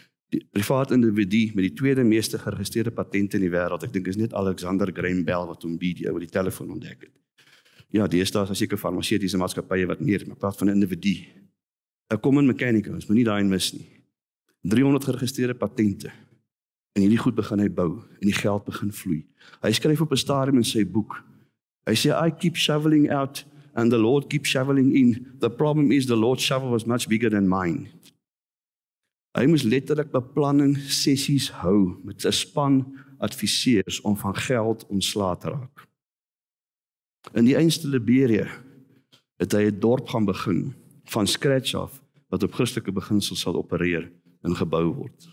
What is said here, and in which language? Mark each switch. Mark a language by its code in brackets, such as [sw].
[af] Die privaat individu met die tweede meeste geregistreerde patente in die wêreld. Ek dink is net Alexander Graham Bell wat hom bied oor die telefoon ontdek het. Ja, deesdae is daar seker farmaseutiese maatskappye wat meer, maar praat van 'n individu. 'N Common Mechanicus, ons moenie daai mis nie. 300 geregistreerde patente. En hierdie goed begin hy bou en die geld begin vloei. Hy skryf op 'n stadium in sy boek. Hy sê [en] I keep shoveling out and the Lord keeps shoveling in. The problem is the Lord's shovel was much bigger than mine. [af] Hy moes letterlik beplanning sessies hou met 'n span adviseurs om van geld ontslae te raak. In die einste Liberia het hy 'n dorp gaan begin van scratch af wat op Christelike beginsels sal opereer en gebou word.